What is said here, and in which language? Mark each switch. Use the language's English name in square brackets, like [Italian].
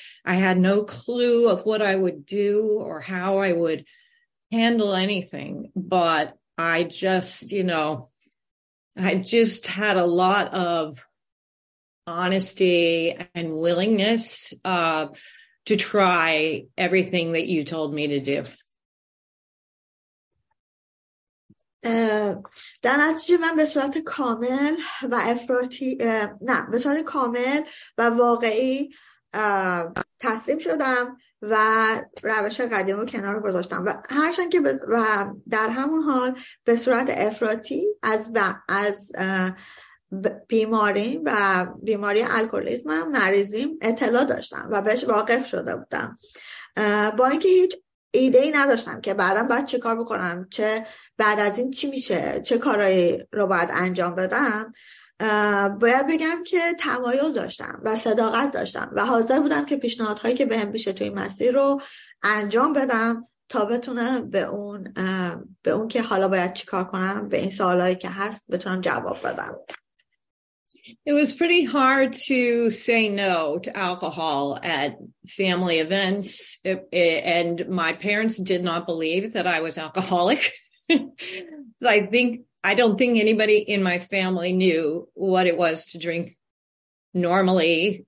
[English] I had no clue of what I would do or how I would handle anything. But I just, you know, I just had a lot of honesty and willingness to try everything that you told me to do. [Persian] در نتیجه من به صورت کامل و افراطی نه به صورت کامل و واقعی تسلیم شدم و روش قدیم رو کنار گذاشتم، و هرچند که و در همون حال به صورت افراطی از بیماری و بیماری الکولیزمم، مریضیم، اطلاع داشتم و بهش واقف شده بودم. با اینکه هیچ ایده‌ای نداشتم که بعدم باید چه کار بکنم، چه بعد از این چی میشه، چه کارایی رو باید انجام بدم، باید بگم که تمایل داشتم و صداقت داشتم و حاضر بودم که پیشنهادهایی که بهم میشه توی مسیر رو انجام بدم تا بتونم به اون که حالا باید چی کار کنم، به این سوالایی که هست بتونم جواب بدم. [English] It was pretty hard to say no to alcohol at family events, and my parents did not believe that I was alcoholic. I don't think anybody in my family knew what it was to drink normally.